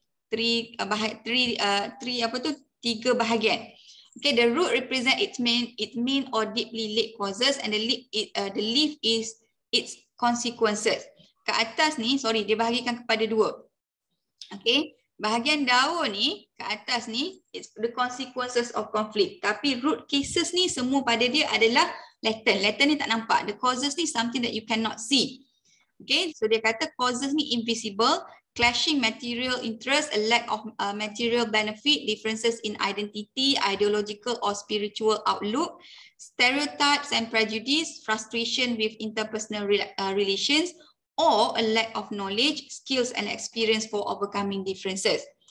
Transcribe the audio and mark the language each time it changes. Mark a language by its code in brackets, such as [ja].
[ms] Tiga bahagian. [en] Okay, the root represent its main or deeply laid causes, and the leaf is its consequences. [ms] Ke atas ni, dia bahagikan kepada dua. Okay, bahagian daun ni, ke atas ni, [en] it's the consequences of conflict. [ms] Tapi root cases ni semua pada dia adalah latent. Latent ni tak nampak. [en] The causes ni something that you cannot see. Okay, so [ms] dia kata [en] causes ni invisible. Clashing material interest, a lack of material benefit, differences in identity, ideological or spiritual outlook, stereotypes and prejudice, frustration with interpersonal relations, or a lack of knowledge, skills and experience for overcoming differences.